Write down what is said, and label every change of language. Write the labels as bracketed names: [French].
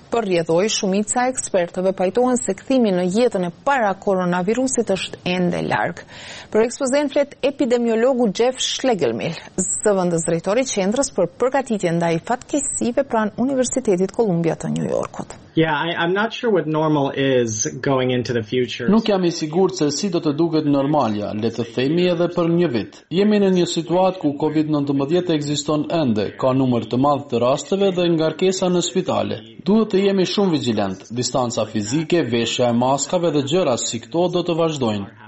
[Albanian] Për rjedhoi shumica ekspertëve pajtohen se kthimi në jetën e para koronavirusit është ende larg. Për ekspozen flet epidemiologu Jeff Schlegelmil, zëvendës drejtori i Qendrës për përgatitje ndaj fatkeqësive pranë Universitetit Columbia të New Yorkut. [English] Yeah, I'm not sure what normal is going into the future. [Albanian] Nuk jam i sigurt se si do të duket normalja, le të themi edhe për një vit. Jemi në një situatë ku COVID-19 ekziston ende, ka numër të madh të rasteve dhe ngarkesa në spitale. Duhet të jemi shumë vigjilent. Distanca fizike, veshja e maskave dhe gjëra si këto do të vazhdojnë.